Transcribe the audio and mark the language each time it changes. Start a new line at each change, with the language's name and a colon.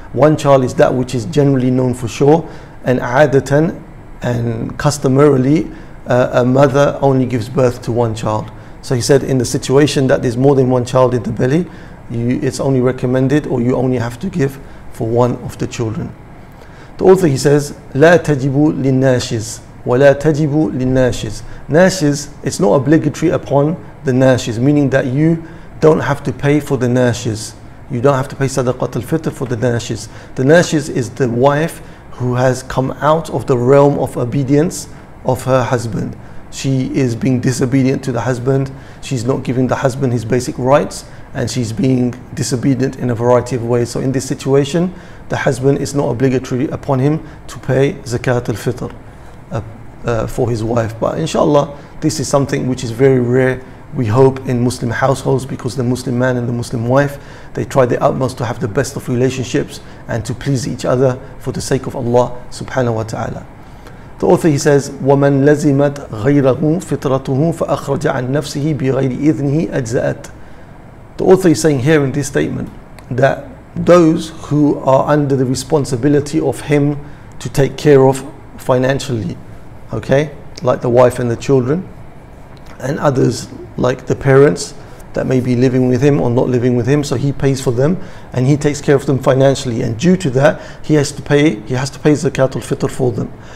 English: One child is that which is generally known for sure, and adatan, and customarily, a mother only gives birth to one child. So he said, in the situation that there's more than one child in the belly, it's only recommended, or you only have to give for one of the children. The author, he says,
Arabic: لَا تَجِبُ لِلنَّاشِزِ وَلَا تَجِبُ لِلنَّاشِزِ.
English: Nashiz, it's not obligatory upon the nashiz, meaning that you don't have to pay for the nashiz. You don't have to pay sadaqat al-fitr for the nashiz. The nashiz is the wife who has come out of the realm of obedience of her husband. She is being disobedient to the husband. She's not giving the husband his basic rights, and she's being disobedient in a variety of ways. So in this situation, the husband is not obligatory upon him to pay zakat al-fitr for his wife. But inshallah, this is something which is very rare, we hope, in Muslim households, because the Muslim man and the Muslim wife, they try their utmost to have the best of relationships and to please each other for the sake of Allah subhanahu wa ta'ala. The author, he says,
Arabic: وَمَنْ لَزِمَتْ غَيْرَهُ فِطْرَتُهُ فَأَخْرَجَ عَنْ نَفْسِهِ بِغَيْرِ إِذْنِهِ أَجْزَأَتْ.
English: The author is saying here in this statement that those who are under the responsibility of him to take care of financially, okay, like the wife and the children, and others like the parents that may be living with him or not living with him, so he pays for them and he takes care of them financially, and due to that he has to pay zakat al-fitr for them.